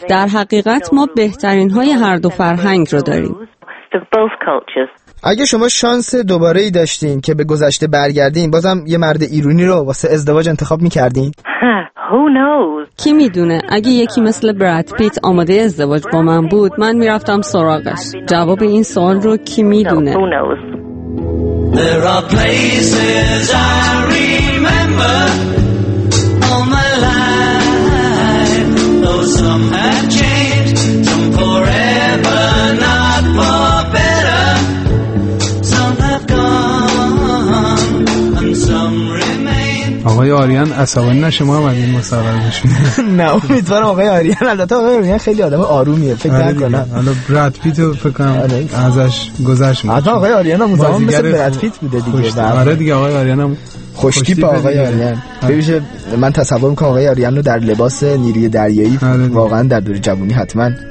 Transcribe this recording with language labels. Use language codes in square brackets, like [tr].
[fa] در حقیقت ما بهترین های هر دو فرهنگ رو داریم. اگه شما شانس دوباره ای داشتین که به گذشته برگردین، بازم یه مرد ایرانی رو واسه ازدواج انتخاب میکردین؟ کی میدونه، اگه یکی مثل براد پیت آماده ازدواج با من بود، من میرفتم سراغش. جواب این سوال رو کی میدونه؟ [en] There are places I remember all my life, though some have changed, some forever, not for better, some have gone and some remain. [fa] آقای آریان عصبانی نشه، ما هم از این مصاحبه بشیم. نه امیدوارم آقای آریان، البته آقای آریان خیلی آدم آرومیه، فکر نکنم حالا براد پیت رو فکرم ازش گذشت. حتی آقای آریان هم مثل براد پیت بوده دیگه. آره دیگه، آقای آریان هم خوشتیپ. آقای آریان ببیشه، من تصور میکنم آقای آریان رو در لباس نیروی دریایی واقعا در دور جوانی حتما.